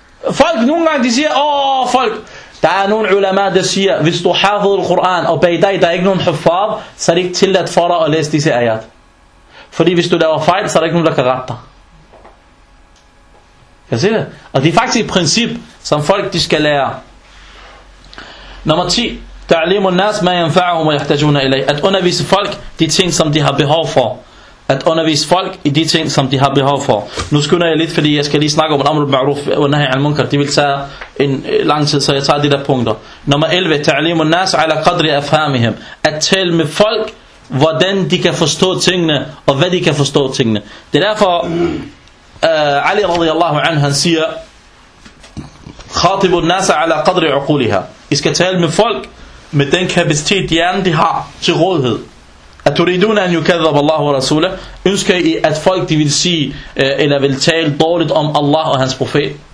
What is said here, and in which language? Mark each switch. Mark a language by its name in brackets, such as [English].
[Danish] Folk, nogle gange, de siger, folk. Der er nogle ulema, der siger, hvis du har fået Al-Quran, og bag dig, der er ikke nogen huffad, så er det ikke tilladt for dig at læse disse ayat. Fordi hvis du laver fejl, så er der ikke nogen, der kan rette dig. Kan jeg se det? Og det er faktisk et princip, som folk, de skal lære. Nummer 10. [Arabic] تعليم الناس ما ينفعهم ويحتاجون إليه. [Danish] At undervise folk de ting som de har behov for. At undervise folk i de ting som de har behov for. Nu skynder jeg lidt, fordi jeg skal lige snakke om al-amr al-ma'ruf wa nahy 'an al-munkar. Det vil tage en lang tid, så jeg tager de der punkter. Nummer 11. [Arabic] تعليم الناس على قدر أفهامهم. [Danish] At tale med folk hvordan de kan forstå tingene og hvad de kan forstå tingene. Det er derfor Ali radiyallahu anhu han siger [Arabic] خاطب الناس على قدر عقولها. [Danish] I skal tale med folk med den kapacitet hjernen de har til rådighed. [Arabic] At turiduna an yukadhab Allah wa rasulah, [Danish] ønsker I at folk de vil sige eller vil tale dårligt om Allah og hans profet?